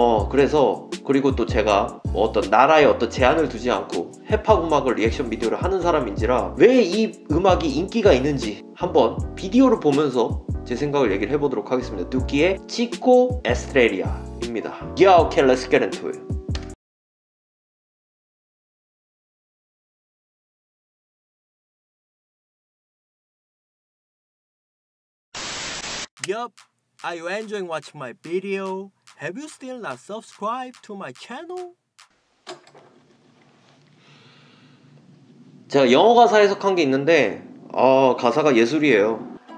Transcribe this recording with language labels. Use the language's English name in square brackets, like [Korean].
[Korean] 그래서 그리고 또 제가 어떤 나라에 어떤 제한을 두지 않고 힙합 음악을 리액션 비디오를 하는 사람인지라 왜 이 음악이 인기가 있는지 한번 비디오를 보면서 제 생각을 얘기를 해보도록 하겠습니다. 두키의 치코 에스트레리아입니다. [English] Yeah, okay, let's get into it. Yup, are you enjoying watching my video? Have you still not subscribed to my channel? [Korean] 제가 영어 가사 해석한 게 있는데 가사가 예술이에요.